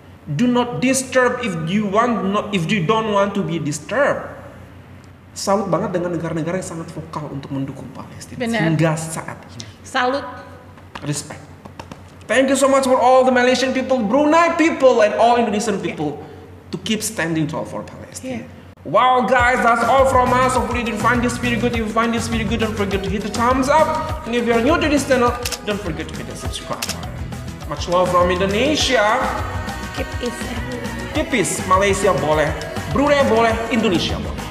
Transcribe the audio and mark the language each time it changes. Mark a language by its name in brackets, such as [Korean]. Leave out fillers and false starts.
[English] Do not disturb if you don't want to be disturbed. [Indonesian] Salut banget dengan negara-negara yang sangat vokal untuk mendukung Palestina. Benar. Hingga saat ini. Salut. [English] Respect. Thank you so much for all the Malaysian people, Brunei people, and all Indonesian people to keep standing tall for Palestine. Yeah. Wow, guys, that's all from us. Hopefully, you find this video good. If you find this video good, don't forget to hit the thumbs up. And if you are new to this channel, don't forget to hit the subscribe button. Much love from Indonesia. Keep peace. Keep peace. [Indonesian] Malaysia boleh, Brunei boleh, Indonesia boleh.